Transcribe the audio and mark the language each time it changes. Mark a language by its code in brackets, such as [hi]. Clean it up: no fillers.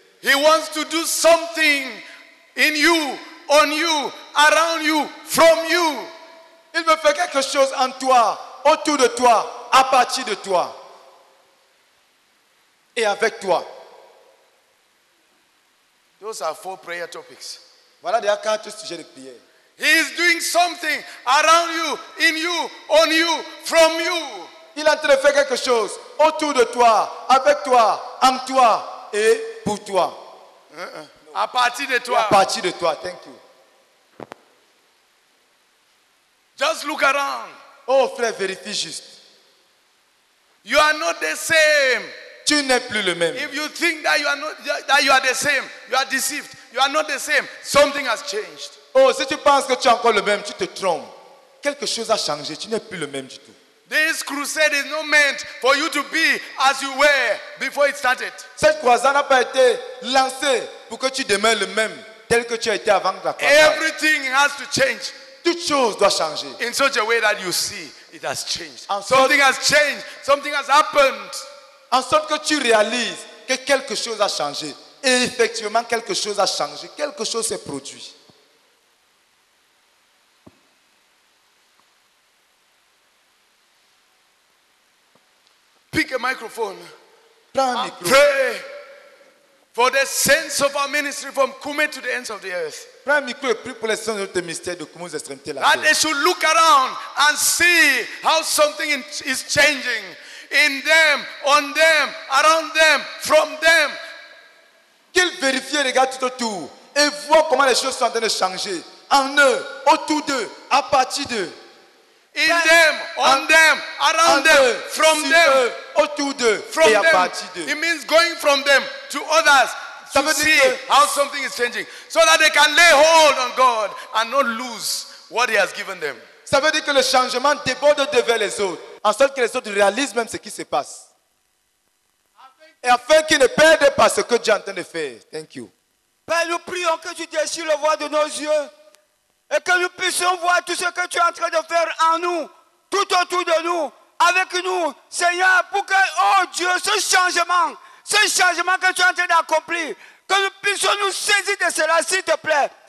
[en] He wants to do something in you, on you, around you, from you. [fr] Il veut faire quelque chose en toi, autour de toi, à partir de toi et avec toi. [en] Those are four prayer topics. [fr] Voilà déjà quatre sujets de prière. [en] He is doing something around you, in you, on you, from you. [fr] Il est en train de faire quelque chose autour de toi, avec toi, en toi et pour toi. À partir de toi. À partir de toi. [en] Thank you. Just look around. [fr] Oh frère, vérifie juste. [en] You are not the same. [fr] Tu n'es plus le même. [en] If you think that you are not that you are the same, you are deceived. You are not the same. Something has changed. [fr] Oh, si tu penses que tu es encore le même, tu te trompes. Quelque chose a changé. Tu n'es plus le même du tout. [en] This crusade is not meant for you to be as you were before it started. [fr] Cette croisade n'a pas été lancée pour que tu demeures le même tel que tu as été avant la croisade. [en] Everything has to change. [fr] Toute chose doit changer. [en] In such a way that you see it has changed. Something has changed. Something has happened. [fr] En sorte que tu réalises que quelque chose a changé. Et effectivement, quelque chose a changé. Quelque chose s'est produit. [en] Pick a microphone. [fr] Prends un micro. [en] Pray for the sense of our ministry from Kume to the ends of the earth. [fr] Prends un micro et prie pour les sens de notre ministère de Kume aux extrémités de la terre. [en] And they should look around and see how something is changing in them, on them, around them, from them. [fr] Qu'ils vérifient, regardent tout autour et voient comment les choses sont en train de changer en eux, autour d'eux, à partir d'eux. [en] In them, on them, around them, from them, [fr] autour d'eux, from et à partir d'eux. [en] It means going from them to others to see how something is changing, so that they can lay hold on God and not lose what He has given them. [fr] Ça veut dire que le changement déborde de vers les autres, en sorte que les autres réalisent même ce qui se passe, et afin qu'ils ne perdent pas ce que Dieu est en train de faire. [en] Thank you. [fr] Père, nous prions que tu déchires le voile de nos yeux. Et que nous puissions voir tout ce que tu es en train de faire en nous, tout autour de nous, avec nous, Seigneur, pour que, oh Dieu, ce changement que tu es en train d'accomplir, que nous puissions nous saisir de cela, s'il te plaît.